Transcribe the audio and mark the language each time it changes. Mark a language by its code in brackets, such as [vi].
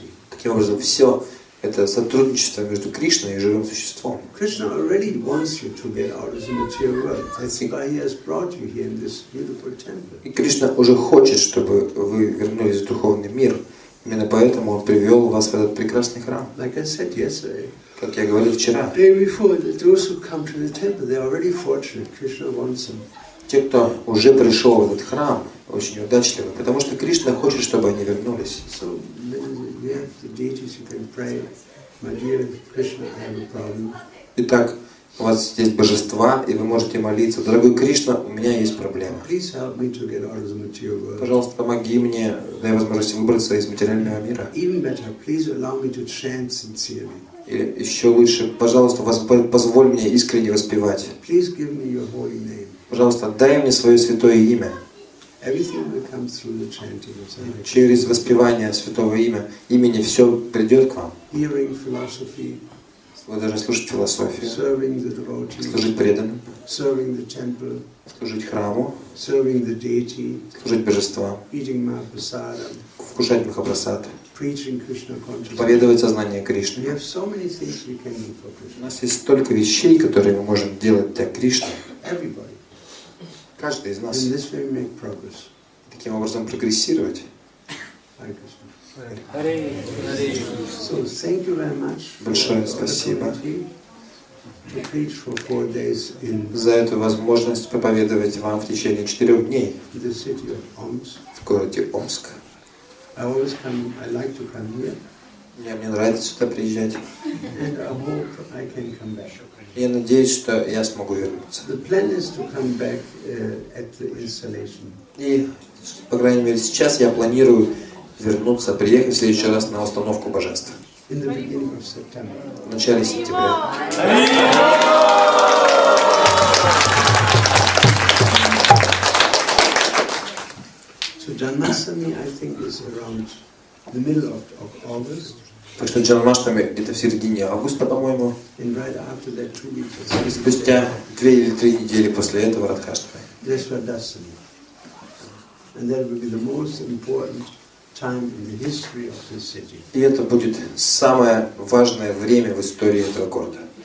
[ru] Таким образом, все это сотрудничество между Кришной и живым существом. [en] Krishna already wants you to get out of the material world. That's why he has brought you here in this beautiful temple. [ru] И Кришна уже хочет, чтобы вы вернулись в духовный мир. Именно поэтому он привел вас в этот прекрасный храм. [en] Like I said yesterday. [ru] Как я говорил вчера. [en] Day before, those who come to the temple, they are already fortunate. Krishna wants them. [ru] Те, кто уже пришел в этот храм, очень удачливы, потому что Кришна хочет, чтобы они вернулись. [en] So we have the deities who can pray, my dear Krishna, I have a problem. [ru] Итак, у вас есть божества, и вы можете молиться, дорогой Кришна, у меня есть проблема. [en] Please help me to get out of the material world. [ru] Пожалуйста, помоги мне, дай возможность выбраться из материального мира. [en] Even better, please allow me to chant sincerely. [ru] И еще лучше, пожалуйста, позволь мне искренне воспевать. [en] Please give me your holy name. [ru] Пожалуйста, дай мне свое святое имя. [en] Everything will come through the chanting of Hare Krishna. [ru] Через воспевание святого имени все придет к вам. [en] Hearing philosophy. [ru] Вы должны слушать философию. [en] Serving the devotees. [ru] Служить преданным. [en] Serving the temple. [ru] Служить храму. [en] Serving the deity. [ru] Служить божествам. [en] Eating Mahaprasada. [ru] Вкушать Махапрасад. [en] Preaching Krishna consciousness. [ru] Поведовать сознание Кришны. [en] We have so many things we can do for Krishna. [ru] У нас есть столько вещей, которые мы можем делать для Кришны. [en] Everybody. [ru] Каждый из нас. [en] In this way we make progress. [ru] Таким образом прогрессировать. [en] Hare Krishna. Hare Krishna. So thank you very much. [ru] Большое спасибо. [en] To preach for 4 days in. [ru] За эту возможность проповедовать вам в течение 4 дней. [en] In the city of Omsk. [ru] В городе Омск. [en] I always come. I like to come here. [ru] Мне нравится сюда приезжать. [en] And I hope I can come back. [ru] Я надеюсь, что я смогу вернуться. [en] The plan is to come back at the installation. [ru] И, по крайней мере, сейчас я планирую вернуться, приехать в следующий раз на установку божеств. [en] In the beginning of September. [ru] В начале сентября. [en] So Janmashtami, I think, is around the middle of August. [ru] Так что Джанмаштами где-то в середине августа, по-моему. [en] Right weeks, [ru] и спустя 2 или 3 недели после этого Радхаштами. [en] Радхаштами. And that will be the most important time in the history of this city. [ru] И это будет самое важное время в истории этого города.